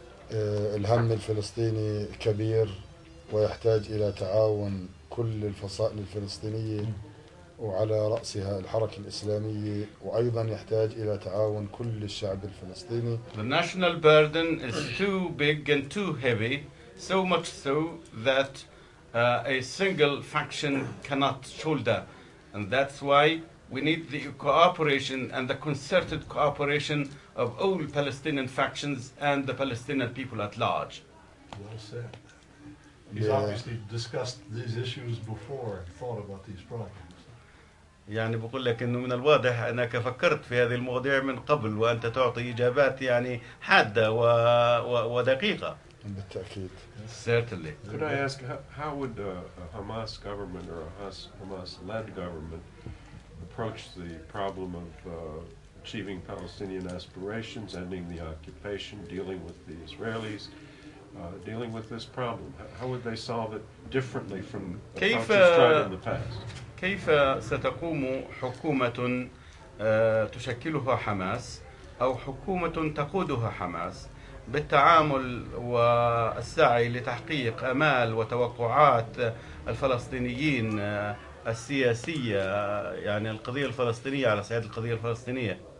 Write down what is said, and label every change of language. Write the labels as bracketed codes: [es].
[ar] الهم الفلسطيني كبير ويحتاج إلى تعاون كل الفصائل الفلسطينية وعلى رأسها الحركة الإسلامية وأيضا يحتاج إلى تعاون كل الشعب الفلسطيني. [en] The national burden is too big and too heavy, so much so that a single faction cannot shoulder, and that's why we need the cooperation and the concerted cooperation of all Palestinian factions and the Palestinian people at large. Well said. He's obviously discussed these issues before and thought about these problems. [ar] يعني بقول لك إنه من الواضح أنك فكرت في هذه المواضيع من قبل وأنت تعطي إجابات يعني حادة ودقيقة. بالتأكيد. [en] Certainly. Could I ask how would a Hamas government or a Hamas-led government approach the problem of achieving Palestinian aspirations, ending the occupation, dealing with the Israelis? Dealing with this problem, how would they solve it differently from [ar] كيف كيف ستقوم حكومة تشكلها حماس أو حكومة تقودها حماس بالتعامل والسعي لتحقيق آمال وتوقعات الفلسطينيين السياسية يعني القضية الفلسطينية على صعيد القضية الفلسطينية